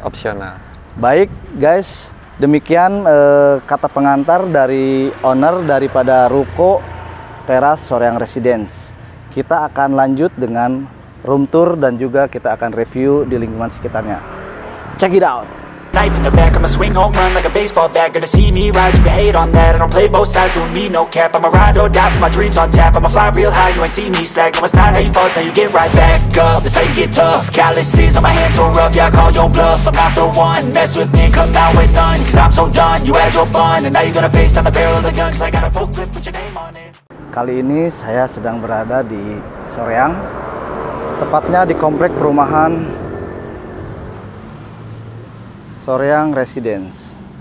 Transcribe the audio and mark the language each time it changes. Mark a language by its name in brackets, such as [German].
[Indonesian] Opsional. Baik guys, demikian kata pengantar dari owner daripada Ruko Teras Soreang Residence. Kita akan lanjut dengan room tour dan juga kita akan review di lingkungan sekitarnya. [English] Check it out. Knife in the back, I'ma swing home run like a baseball bat. Gonna see me rise, you can hate on that. I don't play both sides, doing me no cap. I'ma ride or die for my dreams on tap. I'ma fly real high, you ain't see me slack. No, it's not how you fall, it's how you get right back up. That's how you get tough. Calluses on my hands so rough, yeah, I call your bluff. I'm not the one, mess with me, come out with none. Cause I'm so done, you had your fun. And now you're gonna face down the barrel of the gun. Cause I got a full clip, put your name on it. [Indonesian] Kali ini saya sedang berada di Soreang, tepatnya di komplek perumahan Soreang Residence.